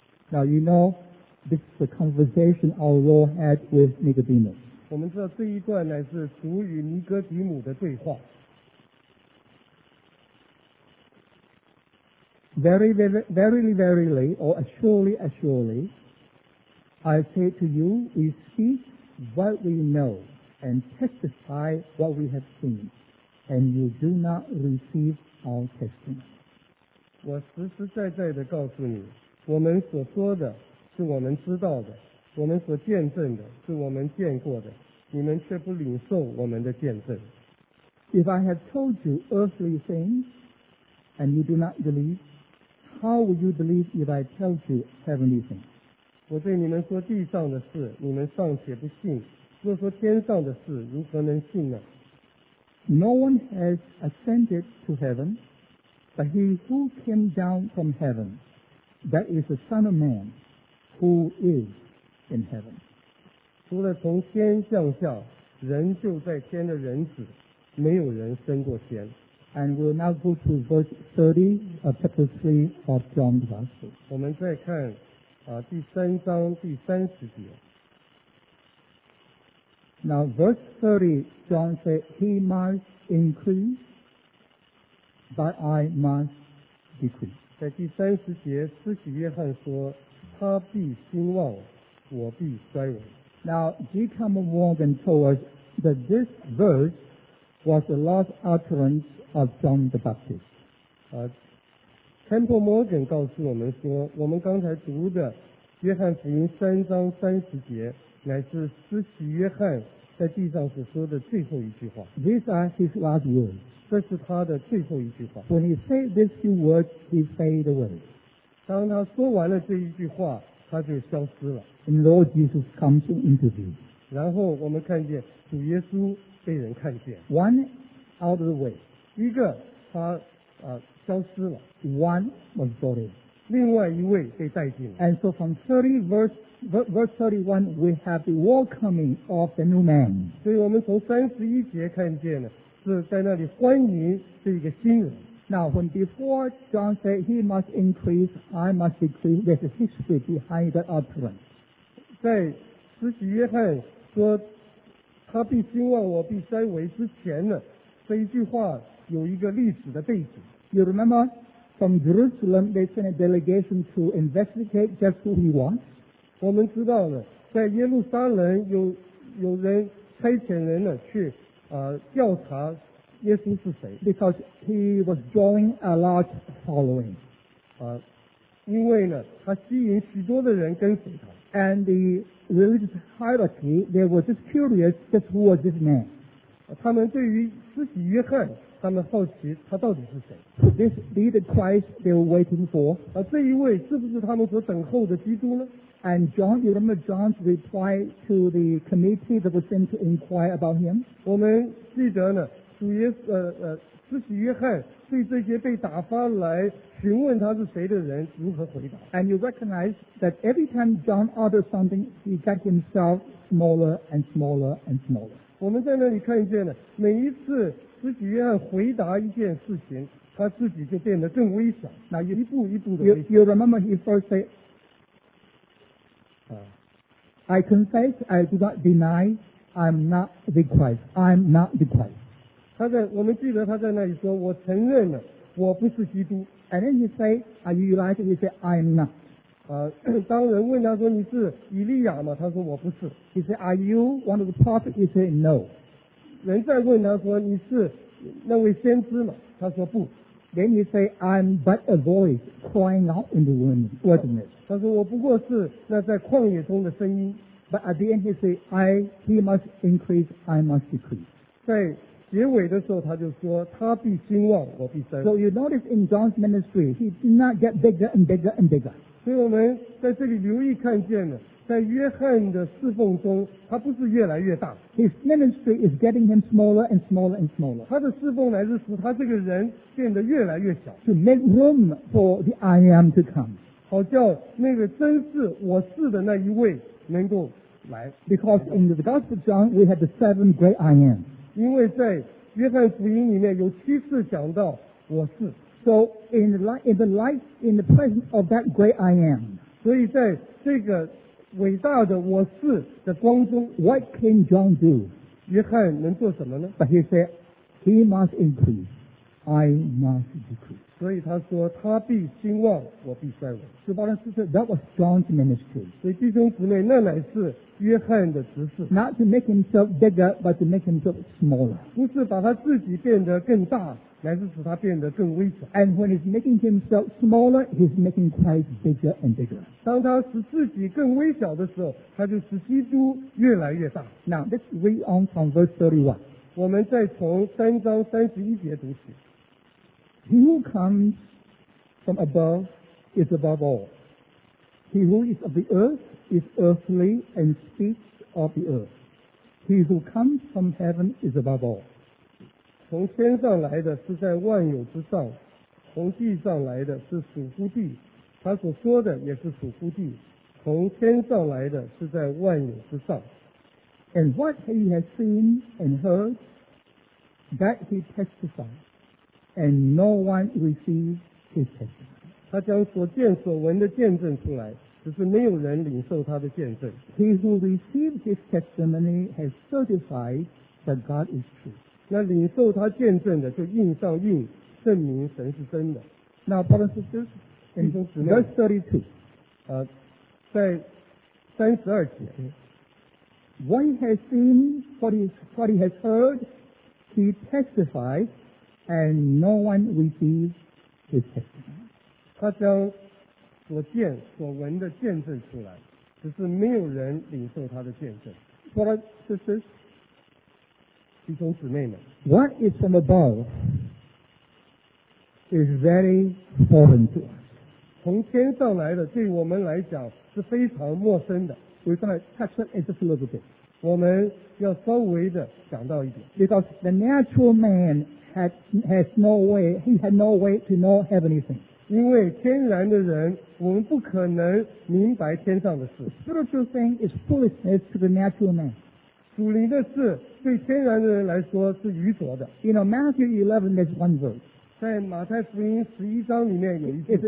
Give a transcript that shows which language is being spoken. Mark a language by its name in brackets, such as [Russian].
[English] Now you know, this is the conversation our Lord had with Nicodemus. [Chinese] 我们知道这一段乃是主与尼哥底母的对话。 [English] Verily, verily, or assuredly, assuredly, I say to you, we speak what we know, and testify what we have seen, and you do not receive our testimony. [Chinese] 我实实在在地告诉你，我们所说的是我们知道的，我们所见证的是我们见过的。你们却不领受我们的见证。 [English] If I have told you earthly things, and you do not believe, how will you believe if I tell you heavenly things? [Chinese] 我对你们说地上的事，你们尚且不信；若说天上的事，如何能信呢？ [English] No one has ascended to heaven, but he who came down from heaven, that is the Son of Man, who is in heaven. [Chinese] 除了从天降下，人就在天的人子，没有人升过天。 [English] And we'll now go to verse 30 of chapter 3 of John the Gospel. [Chinese] 我们再看第三章第三十节。 [English] Now verse 30, John said, He must increase, but I must decrease. [Chinese] 在第三十节，施洗约翰说，他必兴旺，我必衰微。 [English] Now, G. Campbell Morgan told us that this verse was the last utterance of John the Baptist. [Chinese] Campbell Morgan 告诉我们说，我们刚才读的约翰福音三章三十节，乃是施洗约翰在地上所说的最后一句话。 [English] These are his last words. [Chinese] 这是他的最后一句话。 [English] When he said these few words, he fade away. [Chinese] 当他说完了这一句话，他就消失了。 [English] And Lord Jesus comes into view. [Chinese] 然后我们看见主耶稣被人看见。 [English] One out of the way. [Chinese] 一个他消失了。 [English] One was brought in. [Chinese] 另外一位被带进了。 [English] And so from 30 verse 31, we have the welcoming of the new man. [Chinese] 所以我们从三十一节看见呢，是在那里欢迎这个新人。 [English] Now, when before John said he must increase, I must decrease, there's a history behind that utterance. [Chinese] 在使徒约翰说他必兴旺我必衰微之前呢，这一句话有一个历史的背景。 [English] You remember, from Jerusalem they sent a delegation to investigate just who he wants. [Chinese] 我们知道呢，在耶路撒冷有人差遣人呢去调查耶稣是谁。 [English] Because he was drawing a large following. [Chinese] 因为呢，他吸引许多的人跟随他。 [English] And the religious hierarchy, they were just curious, just who was this man? [Chinese] 他们对于施洗约翰，他们好奇他到底是谁。 [English] This be the Christ they were waiting for? [Chinese] 这一位是不是他们所等候的基督呢？ [English] And John, you remember John's reply to the committee that was sent to inquire about him? [Chinese] 我们记得呢，主耶稣施洗约翰对这些被打发来询问他是谁的人如何回答。 [English] And you recognize that every time John ordered something, he got himself smaller and smaller and smaller. [Chinese] 我们在那里看见了，每一次施洗约翰回答一件事情，他自己就变得更微小。那一步一步的。 [English] You remember he first said,I confess, I do not deny, I'm not the Christ. I'm not the Christ. [Chinese] 他在我们记得他在那里说，我承认了，我不是基督。 [English] And then he say, Are you Elijah? He say, I'm not. [Chinese] 当人问他说你是以利亚吗？他说我不是。 [English] He say, Are you one of the prophets? He say, No. [Chinese] 人再问他说你是那位先知吗？他说不。 [English] Then he say, I'm but a voice crying out in the wilderness. [Chinese] 他说我不过是那在旷野中的声音。 [English] But at the end he say, he must increase, I must decrease. [Chinese] 在结尾的时候他就说他必兴旺我必衰。 [English] So you notice in John's ministry, he did not get bigger and bigger and bigger. [Chinese] 所以我们在这里留意看见了，在约翰的侍奉中他不是越来越大。 [English] His ministry is getting him smaller and smaller and smaller. [Chinese] 他的侍奉乃是使他这个人变得越来越小。 [English] To make room for the I am to come. [Chinese] 好叫那个真是我是的那一位能够来。 [English] Because in the Gospel of John, we had the seven great I am. [Chinese] 因为在约翰福音里面有七次讲到我是。 [English] So in the presence of that great I am. [Chinese] 所以在这个伟大的我是的光中 [English] What can John do? [Chinese] 约翰能做什么呢？ [English] But he said He must increase I must decrease [Chinese] 所以他说他必兴旺我必衰微十八章四节 [English] That was John's ministry [Chinese] 所以弟兄姊妹那乃是约翰的职事 [English] Not to make himself bigger but to make himself smaller [Chinese] 不是把他自己变得更大乃是使他变得更微小 [English] And when he's making himself smaller He's making Christ bigger and bigger [Chinese] 当他使自己更微小的时候他就使基督越来越大 [English] Now let's read on from verse 31 [Chinese] 我们再从三章三十一节读起 [English] He who comes from above is above all He who is of the earth is earthly and speaks of the earth He who comes from heaven is above all [Chinese] 从天上来的是在万有之上从地上来的是属乎地他所说的也是属乎地从天上来的是在万有之上 [English] And what he has seen and heard that he testifies and no one receives his testimony [Chinese] 他将所见所闻的见证出来只是没有人领受他的见证 [English] He who received his testimony has certified that God is true [Chinese] 那领受他见证的就印上印证明神是真的 [English] Now brothers and sisters in verse 32 [Chinese] 在三十二节 [English] One has seen what he has heard he testifies and no one receives his testimony [Chinese] 他将所见所闻的见证出来只是没有人领受他的见证 [English] Brothers and sisters What is from above is very foreign to us. [Chinese] 从天上来的对我们来讲是非常陌生的。 [English] We're going to touch it just a little bit. [Chinese] 我们要稍微的讲到一点。 [English] Because the natural man had no way to know heavenly things. [Chinese] 因为天然的人我们不可能明白天上的事。 [English] Spiritual thing is foolishness to the natural man. [Chinese] 属灵的事对天然的人来说是愚拙的。 [English] You know, Matthew 11, there's one verse. [Chinese] 在马太福音十一章里面有一句话。